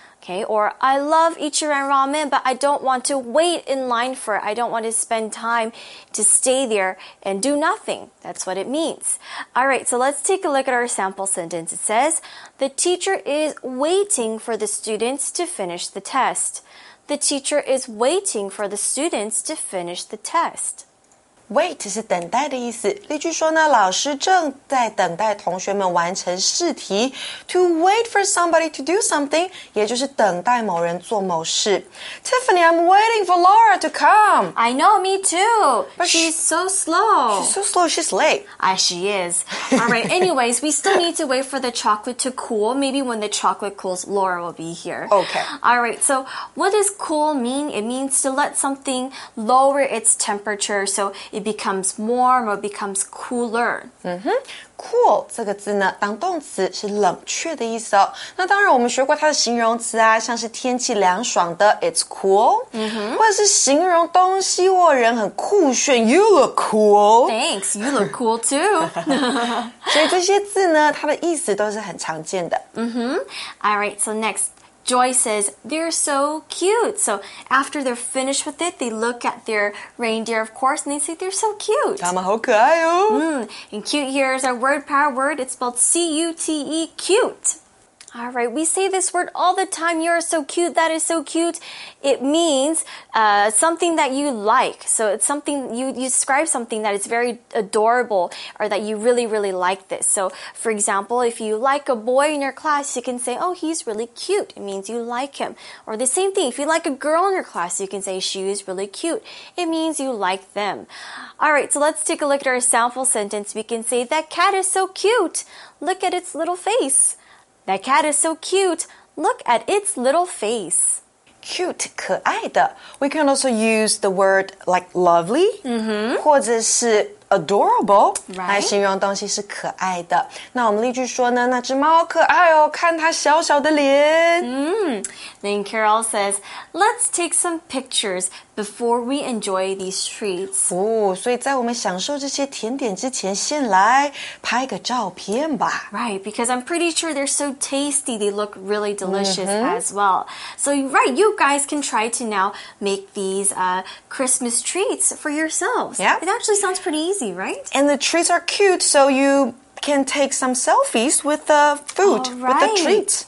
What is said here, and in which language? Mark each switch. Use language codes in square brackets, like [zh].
[en] Okay, or I love Ichiran ramen, but I don't want to wait in line for it. I don't want to spend time to stay there and do nothing. That's what it means. All right, so let's take a look at our sample sentence. It says, the teacher is waiting for the students to finish the test. The teacher is waiting for the students to finish the test. [zh] Wait 是等待的意思。例句说呢，老师正在等待同学们完成试题。 [en] To wait for somebody to do something, [zh] 也就是等待某人做某事。 [en] Tiffany, I'm waiting for Laura to come. I know, me too. But she's so slow. She's so slow, she's late. She is. All right, anyways, we still need to wait for the chocolate to cool. Maybe when the chocolate cools, Laura will be here. Okay. All right, so what does cool mean? It means to let something lower its temperature, soIt becomes warm or becomes cooler. [zh] Cool 这个字呢，当动词是冷却的意思哦。那当然，我们学过它的形容词啊，像是天气凉爽的 ， [en] it's cool。 [zh] 或者是形容东西或人很酷炫 ， [en] you look cool。 Thanks, you look cool too. [zh] 所以这些字呢，它的意思都是很常见的。 [en] All right, so next. Joy says, they're so cute. So after they're finished with it, they look at their reindeer, of course, and they say, they're so cute. [zh] 他们好可爱哦。 [en] And cute here is our word power word. It's spelled C-U-T-E, cute. All right, we say this word all the time. You're so cute. That is so cute. It means something that you like. So it's something, you describe something that is very adorable or that you really, really like this. So, for example, if you like a boy in your class, you can say, oh, he's really cute. It means you like him. Or the same thing, if you like a girl in your class, you can say, she is really cute. It means you like them. All right, so let's take a look at our sample sentence. We can say, that cat is so cute. Look at its little face. That cat is so cute. Look at its little face. Cute, [zh] 可爱的。 [en] We can also use the word like lovely, [zh] 或者是 [en] adorable, [zh] 来形容东西是可爱的。那我们例句说呢，那只猫可爱哦，看它小小的脸。 [en] Then Carol says, let's take some pictures before we enjoy these treats. [zh] 哦，所以在我们享受这些甜点之前，先来拍个照片吧。 [en] Right, because I'm pretty sure they're so tasty, they look really delicious as well. So, right, you guys can try to now make these Christmas treats for yourselves. Yeah. It actually sounds pretty easy, right? And the treats are cute, so you... can take some selfies with the food, with the treat.